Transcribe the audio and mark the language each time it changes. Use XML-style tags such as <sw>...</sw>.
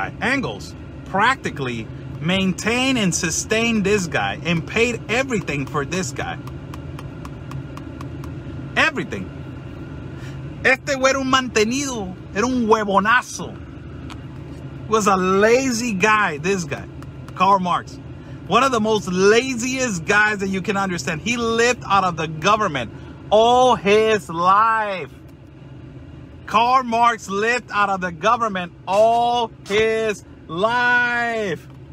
<en>Engels practically maintained and sustained this guy and paid everything for this guy. Everything.</en> <es>Este güey era un mantenido, era un huevonazo.</es> <en>Was a lazy guy, this guy, Karl Marx. One of the most laziest guys that you can understand. He lived out of the government all his life. Karl Marx lived out of the government all his life.</en>